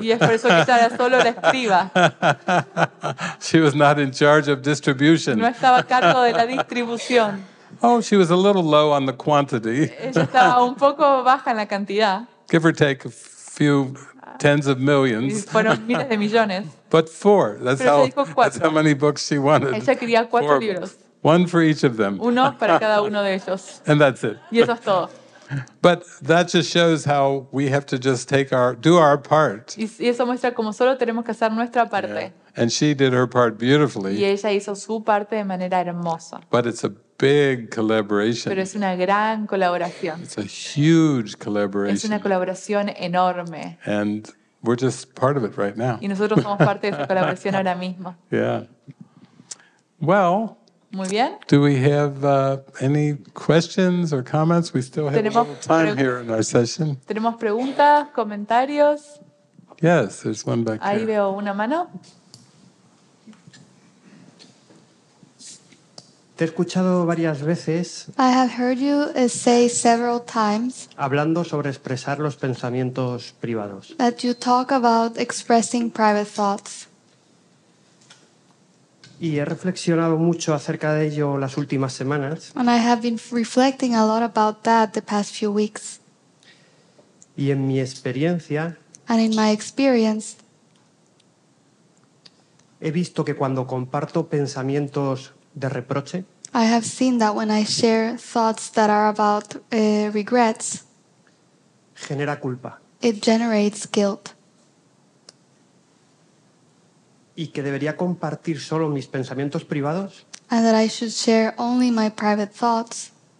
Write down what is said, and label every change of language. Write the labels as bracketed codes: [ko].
[es] Y es por eso que estaba solo la escriba. [en] She was not in charge of distribution. [es] No estaba a cargo de la distribución. [en] Oh, she was a little low on the quantity. [es] Ella estaba un poco baja en la cantidad. [en] Give or take a few tens of millions. [es] Fueron miles de millones. [en] But four. That's how many books she wanted. [es] Ella quería cuatro libros. [en] One for each of them. [es] Uno para cada uno de ellos. [en] And that's it. [es] Y eso es todo. [en] But that just shows how we have to just take our do our part. [es] Y eso muestra como solo tenemos que hacer nuestra parte. [en] Yeah. And she did her part beautifully. [es] Y ella hizo su parte de manera hermosa. [en] But it's a big collaboration. [es] Pero es una gran colaboración. [en] It's a huge collaboration. [es] Es una colaboración enorme. [en] And we're just part of it right now. [es] Y nosotros somos parte de esa colaboración ahora mismo. [en] Yeah. Well, [es] muy bien. [en] Do we have any questions or comments? We still have a little time here in our session. [es] ¿Tenemos preguntas, comentarios? [en] Yes, there's one back [es] ahí [en] there. [es] Veo una mano. Te he escuchado varias veces. [en] I have heard you say several times. [es] Hablando sobre expresar los pensamientos privados. [en] That you talk about expressing private thoughts. [es] Y he reflexionado mucho acerca de ello las últimas semanas. [en] And I have been reflecting a lot about that the past few weeks. [es] Y en mi experiencia. [en] And in my experience. [es] He visto que cuando comparto pensamientos de reproche. [en] I have seen that when I share thoughts that are about regrets. [es] Genera culpa. [en] It generates guilt. [es] Y que debería compartir solo mis pensamientos privados. [en] And that I should share only my private thoughts.